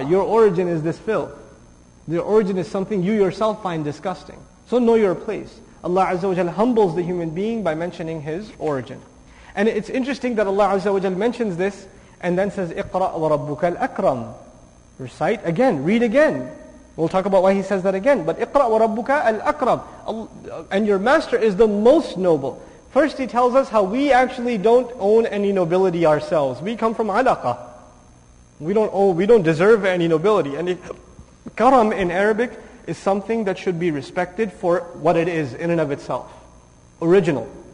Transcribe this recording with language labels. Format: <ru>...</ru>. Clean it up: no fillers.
<en>Your origin is this filth. Your origin is something you yourself find disgusting. So know your place. Allah Azza wa Jal humbles the human being by mentioning his origin. And it's interesting that Allah Azza wa Jal mentions this and then says,</en> <ar>اِقْرَأْ وَرَبُّكَ الْأَكْرَمُ.</ar> <en>Recite again, read again. We'll talk about why he says that again. But</en> <ar>اِقْرَأْ وَرَبُّكَ الْأَكْرَمُ.</ar> <en>And your master is the most noble. First he tells us how we actually don't own any nobility ourselves. We come from alaqah. We don't deserve any nobility. And karam in Arabic is something that should be respected for what it is in and of itself. Original.</en>